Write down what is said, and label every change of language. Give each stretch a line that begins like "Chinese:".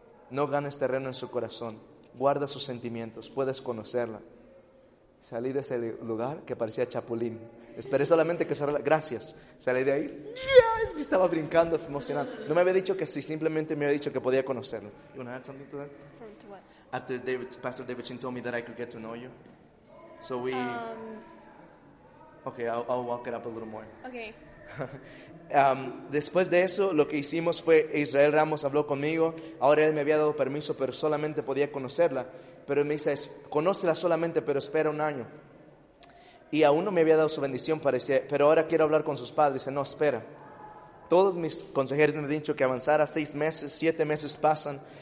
Spanish: No ganes terreno en su corazón. Guarda sus sentimientos, puedes conocerla. Salí de ese lugar que parecía Chapulín. Esperé solamente que cerrara. Gracias. Salí de ahí. Yes. Estaba brincando, emocionado. No me había dicho que sí. Simplemente me había dicho que podía conocerlo.
English: You want to add something to that? To what? After David, Pastor David Shin told me that I could get to know you. So we... Okay, I'll walk it up a little more. Okay.
Spanish: Después de eso, lo que hicimos fue Israel Ramos habló conmigo. Ahora él me había dado permiso, pero solamente podía conocerla. Pero me dice, conócela solamente, pero espera 1 año. Y aún no me había dado su bendición, parecía, pero ahora quiero hablar con sus padres. Dice, no, espera. Todos mis consejeros me han dicho que avanzara 6 meses, 7 meses pasan,